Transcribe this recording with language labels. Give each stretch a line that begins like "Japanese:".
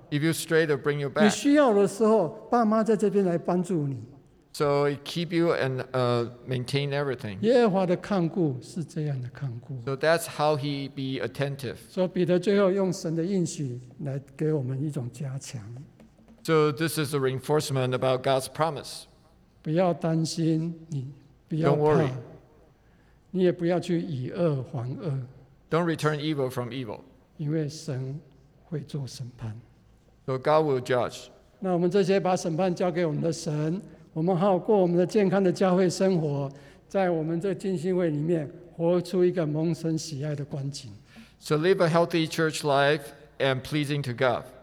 English: If you stray, they'll bring you back.
Chinese: 你需要的时候，爸妈在这边来帮助你。
English: So it keep you and maintain everything.
Chinese: 耶和华的看顾是这样的看顾。
English: So that's how he be attentive.
Chinese: 所以彼得最后用神的应许来给我们一种加强。
English: So this is a reinforcement about God's promise.
Chinese: 不要担心，你不要怕。
English: Don't worry.
Chinese: 你也不要去以恶还恶。
English: Don't return evil from evil.
Chinese: 因为神会做审判。
English: So God will judge.
Chinese: 那我们这些把审判交给我们的神。我们好好过我们的健康的教会生活，在我们这敬信会里面活出一个蒙神喜爱的光景。
English: So live a healthy church life and pleasing to God.